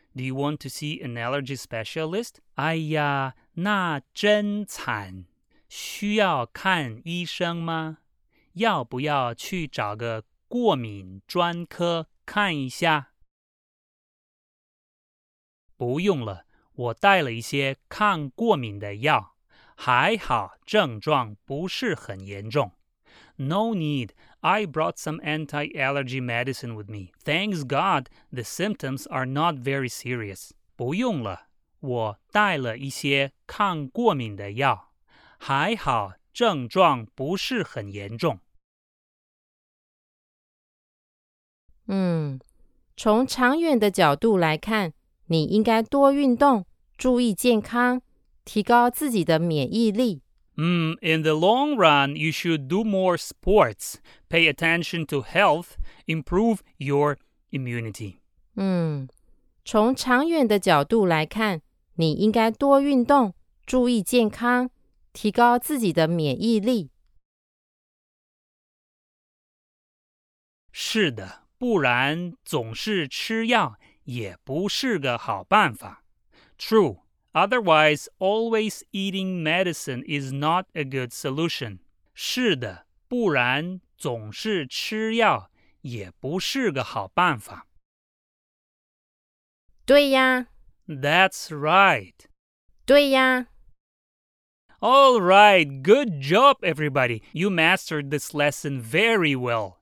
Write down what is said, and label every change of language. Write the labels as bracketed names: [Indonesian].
[English] Do you want to see an allergy specialist? [Chinese] 哎呀，那真惨，需要看医生吗？要不要去找个过敏专科看一下？不用了，我带了一些抗过敏的药，还好症状不是很严重。 [English] No need, I brought some anti-allergy medicine with me. Thanks God, the symptoms are not very serious. [Chinese] 不用了，我带了一些抗过敏的药，还好症状不是很严重。从长远的角度来看，你应该多运动，注意健康，提高自己的免疫力。 [English] In the long run, you should do more sports, pay attention to health, improve your immunity. [Chinese] 从长远的角度来看，你应该多运动，注意健康，提高自己的免疫力。是的，不然总是吃药。也不是个好办法。 [English] True, otherwise always eating medicine is not a good solution. [Chinese] 是的，不然总是吃药也不是个好办法。对呀。 [English] That's right. [Chinese] 对呀。 [English] All right, good job everybody. You mastered this lesson very well.